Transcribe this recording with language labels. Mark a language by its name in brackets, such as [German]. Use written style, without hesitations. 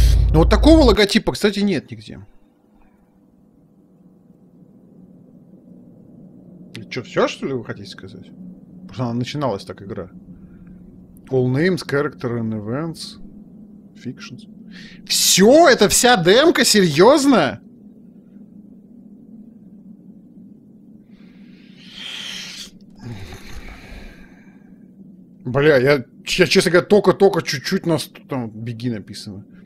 [Russian] Ну вот такого логотипа, кстати, нет нигде. И что, все, что ли, вы хотите сказать? Просто она начиналась так, игра. [English] All names, character and events, fictions. [Russian] Все, это вся демка, серьезно? Бля, я честно говоря, только-только чуть-чуть там беги написано.